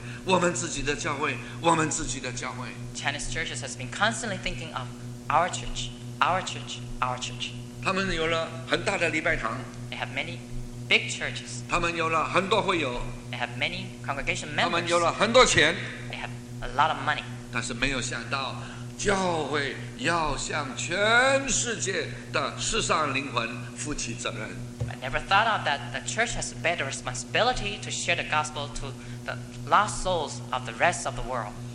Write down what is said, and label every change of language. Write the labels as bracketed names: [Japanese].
[Chinese] 华人教会只是想到我们自己的教会，我们自己的教会，我们自己的教会。 [English] Chinese churches has been constantly thinking of our church, our church, our church. [Chinese] 他们有了很大的礼拜堂。 [English] They have many big churches. [Chinese] 他们有了很多会友。 [English] They have many congregation members. [Chinese] 他们有了很多钱。 [English] A lot of money. [Chinese] 但是没有想到, 教会要向全世界的世上灵魂负起责任。 [English] But never thought of that the church has a better responsibility to share the gospel to the lost souls of the rest of the world.